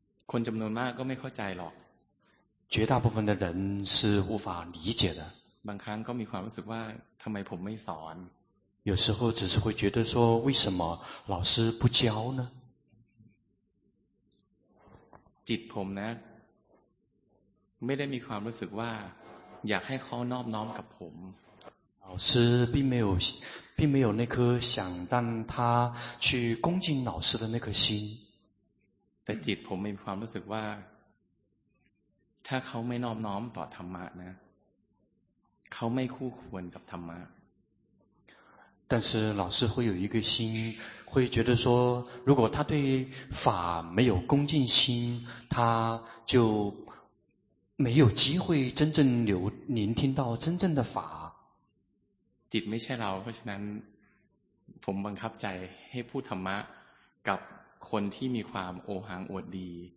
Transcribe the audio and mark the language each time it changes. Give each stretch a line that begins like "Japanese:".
Thai: คนจำนวนมากก็ไม่เข้าใจหรอก
Chinese: 绝大部分的人是无法理解的
Thai: บางครั้งก็มีความรู้สึกว่าทำไมผมไม่สอน
Chinese: 有时候只是会觉得说为什么老师不教呢
Thai: จิตผมนะไม่ได้มีความรู้สึกว่าอยากให้เขานอบน้อมกับผม
Chinese: 老师并没有那颗想让他去恭敬老师的那颗心
Thai: แต่จิตผมมีความรู้สึกว่าถ้าเขาไม่นอบน้อมต่อธรรมะนะเขาไม่คู่ควรกับธรรมะ
Chinese: 但是老师会有一个心会觉得说如果他对法没有恭敬心他就没有机会真正聆听到真正的法
Thai: จิตไม่ใช่เราเพราะฉะนั้นผมบังคับใจให้พูดธรรมะกับคนที่มีความโอหังอวดดี